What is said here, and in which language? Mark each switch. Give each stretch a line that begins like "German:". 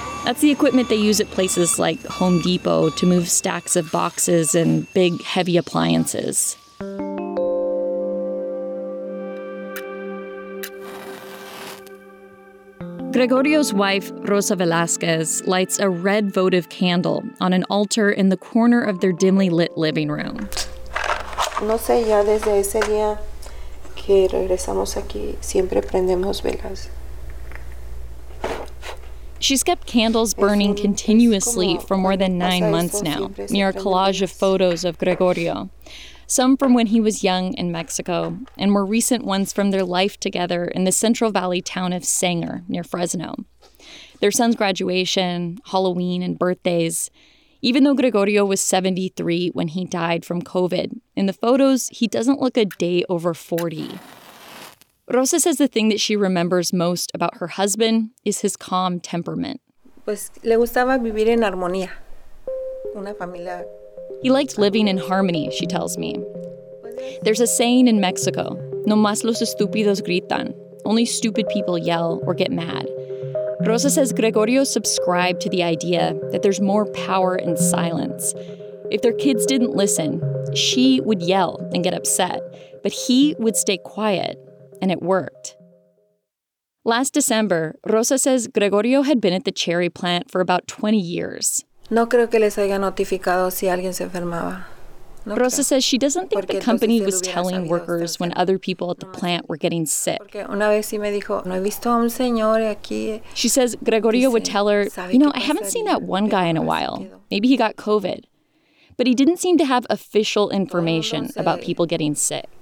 English: That's the equipment they use at places like Home Depot to move stacks of boxes and big, heavy appliances. Gregorio's wife, Rosa Velasquez, lights a red votive candle on an altar in the corner of their dimly lit living room.
Spanish: No sé, ya desde ese día que regresamos aquí, siempre prendemos velas.
English: She's kept candles burning continuously for more than 9 months now, near a collage of photos of Gregorio. Some from when he was young in Mexico, and more recent ones from their life together in the Central Valley town of Sanger, near Fresno. Their son's graduation, Halloween, and birthdays. Even though Gregorio was 73 when he died from COVID, in the photos, he doesn't look a day over 40. Rosa says the thing that she remembers most about her husband is his calm temperament.
Spanish: Pues le gustaba vivir en armonía. Una familia.
English: He liked living in harmony, she tells me. There's a saying in Mexico,
Spanish: no más los estúpidos gritan,
English: only stupid people yell or get mad. Rosa says Gregorio subscribed to the idea that there's more power in silence. If their kids didn't listen, she would yell and get upset, but he would stay quiet, and it worked. Last December, Rosa says Gregorio had been at the cherry plant for about 20 years.
Spanish: No creo que les haya notificado si alguien se enfermaba.
English: Rosa says she doesn't think the company was telling workers when other people at the plant were getting sick. She says Gregorio would tell her, you know, I haven't seen that one guy in a while. Maybe he got COVID. But he didn't seem to have official information about people getting sick.